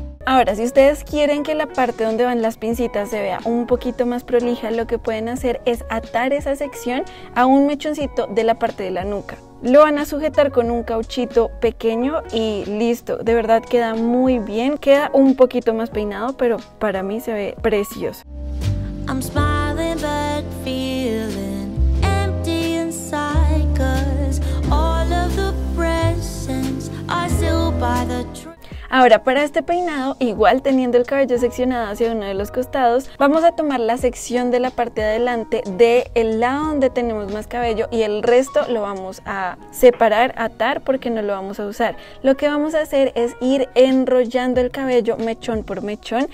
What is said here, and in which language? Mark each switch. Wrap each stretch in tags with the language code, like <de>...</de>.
<es>Ahora, si ustedes quieren que la parte donde van las pincitas se vea un poquito más prolija, lo que pueden hacer es atar esa sección a un mechoncito de la parte de la nuca. Lo van a sujetar con un cauchito pequeño y listo. De verdad queda muy bien, queda un poquito más peinado, pero para mí se ve precioso.</es> <en>I'm smiling, but feeling empty inside, 'cause all of the presents are still by the tree.</en> <es>Ahora, para este peinado, igual teniendo el cabello seccionado hacia uno de los costados, vamos a tomar la sección de la parte de adelante del lado donde tenemos más cabello y el resto lo vamos a separar, atar, porque no lo vamos a usar. Lo que vamos a hacer es ir enrollando el cabello mechón por mechón.</es>